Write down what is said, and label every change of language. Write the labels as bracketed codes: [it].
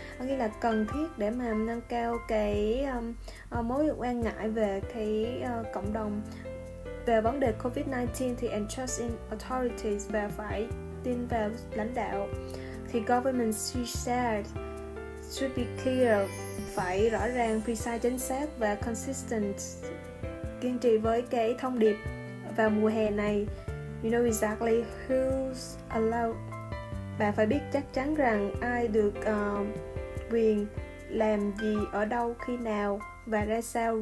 [vi] Có nghĩa là cần thiết để mà nâng cao cái mối quan ngại về cái cộng đồng về vấn đề COVID-19, thì [en] and trust in authorities, [vi] và phải tin vào lãnh đạo. Thì [en] government, she said, should be clear, [vi] phải rõ ràng, [en] precise, [vi] chính xác và [en] consistent, [vi] kiên trì với cái thông điệp vào mùa hè này. [en] You know exactly who's allowed. [vi] Bạn phải biết chắc chắn rằng ai được quyền làm gì ở đâu, khi nào và ra sao.